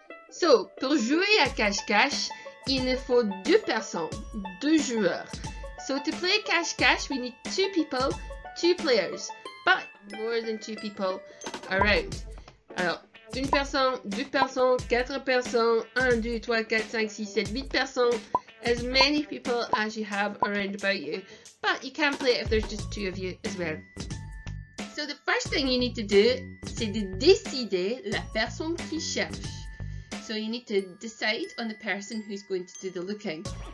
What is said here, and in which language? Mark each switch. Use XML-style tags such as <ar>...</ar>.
<fr>So, pour jouer à cache-cache, il nous faut deux personnes, deux joueurs.</fr> <en>So to play cache-cache, we need two people, two players, but more than two people around.</en> <fr>Alors, une personne, deux personnes, quatre personnes, un, deux, trois, quatre, cinq, six, sept, huit personnes.</fr> <en>As many people as you have around about you. But you can play it if there's just two of you as well. So the first thing you need to do,</en> <fr>c'est de décider la personne qui cherche.</fr> <en>So you need to decide on the person who's going to do the looking.</en>